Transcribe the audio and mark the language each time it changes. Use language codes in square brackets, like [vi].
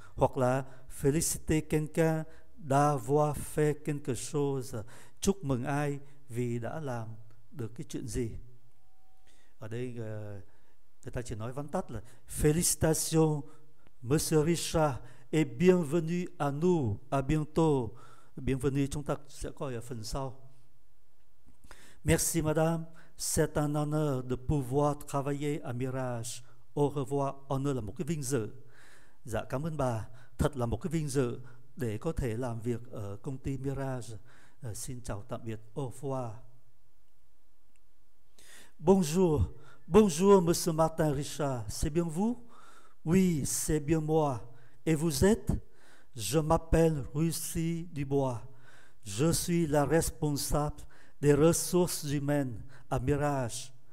[vi] Hoặc là [fr] félicité quelqu'un d'avoir fait quelque chose, [vi] chúc mừng ai vì đã làm được cái chuyện gì. Ở đây người ta chỉ nói vắn tắt là [fr] félicitations Monsieur Richard et bienvenue à nous, à bientôt. [vi] Bienvenue chúng ta sẽ coi ở phần sau. [fr] Merci madame, c'est un honneur de pouvoir travailler à Mirage. Au revoir, [vi] honneur là một cái vinh dự. Dạ cảm ơn bà, thật là một cái vinh dự để có thể làm việc ở công ty Mirage. Xin chào tạm biệt, [fr] au revoir. Bonjour, bonjour Monsieur Martin Richard, c'est bien vous? Oui, c'est bien moi. Et vous êtes? Je m'appelle Russie Dubois. Je suis la responsable des ressources humaines à Mirage.